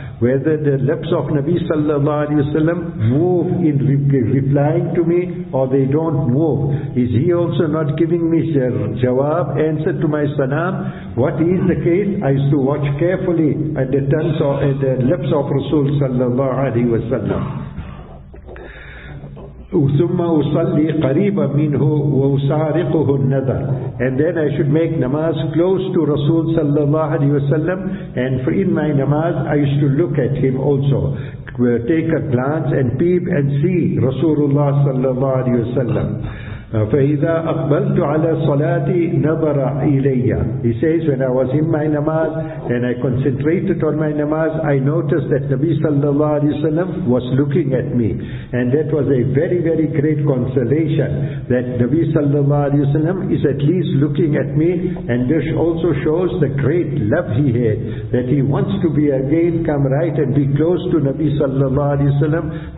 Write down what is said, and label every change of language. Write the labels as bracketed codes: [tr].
[en] Whether the lips of Nabi sallallahu alayhi wasallam move in replying to me or they don't move. Is he also not giving me jawab, answer to my salam? What is the case? I used to watch carefully at the tongues or at the lips of Rasul sallallahu alayhi wasallam. [ar] ثم أصلي قريبا منه وأسارقه النذر. [en] And then I should make namaz close to Rasul sallallahu alayhi wasallam, and for in my namaz I used to look at him also, take a glance and peep and see Rasulullah sallallahu alayhi wasallam. [ar] فإذا أقبلت على صلاتي نظر إلي. [en] He says, when I was in my namaz and I concentrated on my namaz, I noticed that Nabi sallallahu alayhi wasallam was looking at me, and that was a very, very great consolation that Nabi sallallahu alayhi wasallam is at least looking at me. And this also shows the great love he had, that he wants to be again come right and be close to Nabi sallallahu alayhi wasallam.